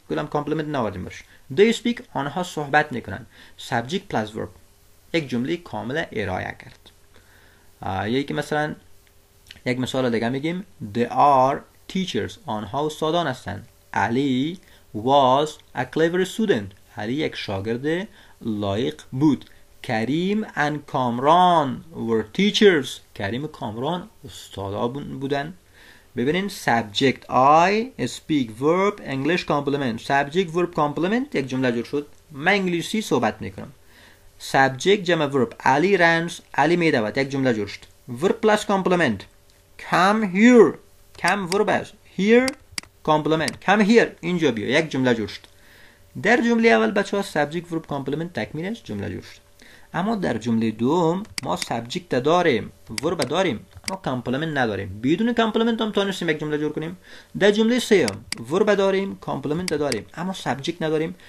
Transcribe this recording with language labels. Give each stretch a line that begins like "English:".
Persian: گفتم کامپلیمنت نوردیم باش.
English: They speak.
Persian: آنها صحبت میکنن. Subject plus verb. یک جمله کامل ارائه کرد. یکی مثلا یک مثال دیگه میگیم.
English: They are teachers.
Persian: آنها استادان هستند.
English: Ali was a clever student.
Persian: علی یک شاگرد لایق بود.
English: Karim and Kamran were teachers.
Persian: کریم و کامران استادا بودن. ببینین
English: subject I speak verb English complement.
Persian: Subject verb complement یک جمله جور شد. من انگلیسی صحبت میکنم. Subject جمع verb. علی runs. علی میدود. یک جمله جور شد. Verb plus complement.
English: Come here.
Persian: Come verb است. Here complement.
English: Come here.
Persian: اینجا بیا. یک جمله جور شد. در جمله اول بچه ها subject verb complement تکمیل است. جمله جور شد. اما در جمله دوم ما سبجکت داریم، ورب داریم، اما کامپلمنت نداریم. بدون کامپلمنت هم تونستیم یک جمله جور کنیم. در جمله سوم ورب داریم، کامپلمنت داریم، اما سبجکت نداریم.